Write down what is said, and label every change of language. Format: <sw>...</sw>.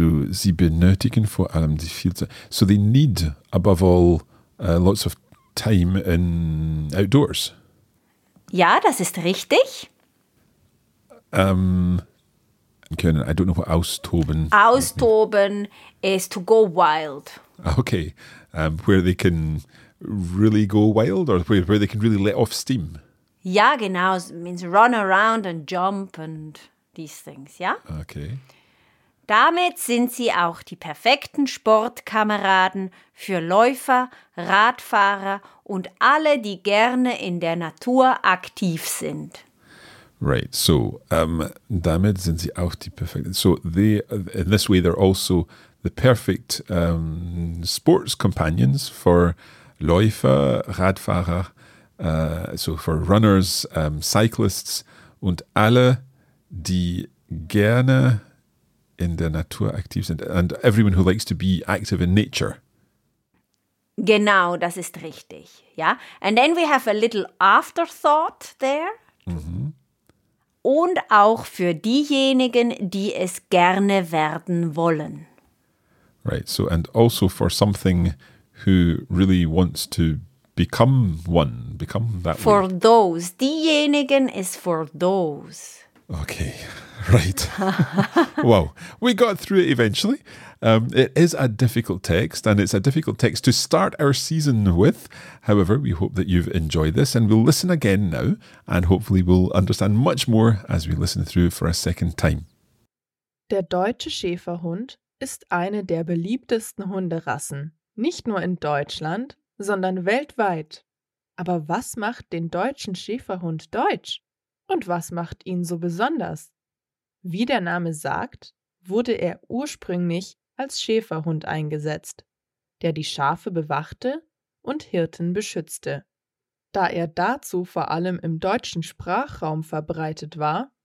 <de>Sie benötigen vor allem viel Zeit.</de> <en>So they need, above all, lots of time in outdoors.</en> <de>Ja, das ist richtig. Können,</de> <en>I don't know what austoben. Austoben is to go wild. Okay, where they can really go wild or where they can really let off steam.</en> <de>Ja, genau.</de> <en>It means run around and jump and these things, ja? Okay.</en> <de>Damit sind sie auch die perfekten Sportkameraden für Läufer, Radfahrer und alle, die gerne in der Natur aktiv sind.</de> <en>Right, so</en> <de>damit sind sie auch die perfekten.</de> <en>So they, in this way they're also the perfect sports companions for</en> <de>Läufer, Radfahrer,</de> <en>so for runners, cyclists</en> <de>und alle, die gerne in der Natur aktiv sind.</de> <en>And everyone who likes to be active in nature.</en> <de>Genau, das ist richtig. Ja?</de> <en>And then we have a little afterthought there. Mm-hmm.</en> <de>Und auch für diejenigen, die es gerne werden wollen.</de> <en>Right, so and also for something who really wants to become one, become that one. For those. Diejenigen is for those. Okay, right. Wow, we got through it eventually. It is a difficult text, and it's a difficult text to start our season with. However, we hope that you've enjoyed this, and we'll listen again now, and hopefully we'll understand much more as we listen through for a second time.</en> <de>Der deutsche Schäferhund ist eine der beliebtesten Hunderassen, nicht nur in Deutschland, sondern weltweit. Aber was macht den deutschen Schäferhund deutsch? Und was macht ihn so besonders? Wie der Name sagt, wurde er ursprünglich als Schäferhund eingesetzt, der die Schafe bewachte und Hirten beschützte. Da er dazu vor allem im deutschen Sprachraum verbreitet war,</de>